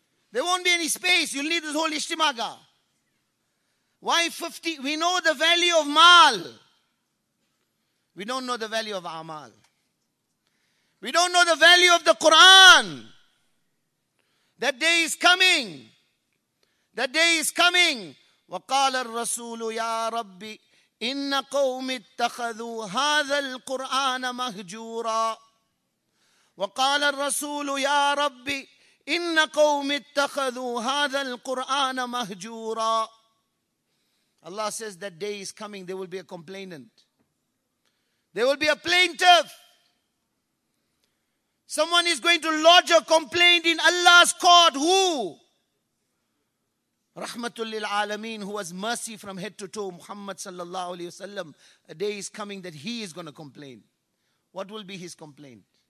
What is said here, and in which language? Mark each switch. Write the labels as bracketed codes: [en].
[en] There won't be any space. You'll need this whole Ishtimaga. Why 50? We know the value of Maal. We don't know the value of Amal. We don't know the value of the Quran. That day is coming. That day is coming. [ar] وَقَالَ الرَّسُولُ يَا رَبِّ إِنَّ قَوْمِ اتَّخَذُوا هَذَا الْقُرْآنَ مَهْجُورًا وَقَالَ الرَّسُولُ يَا رَبِّ إِنَّ قَوْمِ اتَّخَذُوا هَذَا الْقُرْآنَ مَهْجُورًا [en] Allah says that day is coming, there will be a complainant. There will be a plaintiff. Someone is going to lodge a complaint in Allah's court. Who? Rahmatul lil alameen, who has mercy from head to toe, Muhammad sallallahu alayhi wasallam. A day is coming that he is going to complain. What will be his complaint?